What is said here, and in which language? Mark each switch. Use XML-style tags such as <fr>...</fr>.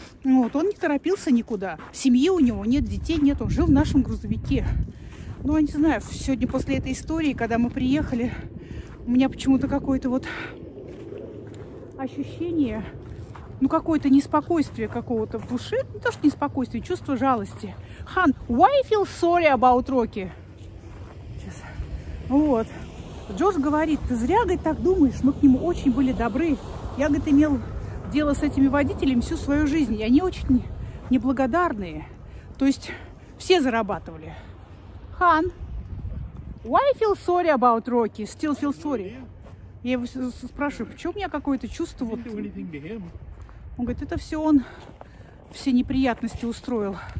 <ru>Вот, он не торопился никуда. Семьи у него нет, детей нет, он жил в нашем грузовике. Ну, я не знаю, сегодня после этой истории, когда мы приехали, у меня почему-то какое-то вот ощущение, ну, какое-то неспокойствие какого-то в душе. Не то, что неспокойствие, чувство жалости.</ru> <en>Хан, why feel sorry about Rocky?</en> <ru>Сейчас. Вот. Джордж говорит, ты зря, говорит, так думаешь, мы к нему очень были добры. Я, говорит, имел дело с этими водителями всю свою жизнь, и они очень неблагодарные. То есть все зарабатывали.</ru> <en>Хан, why feel sorry about Rocky? Still feel sorry.</en> <ru>Я его спрашиваю, почему у меня какое-то чувство вот... Он говорит, это все он, все неприятности устроил.</ru>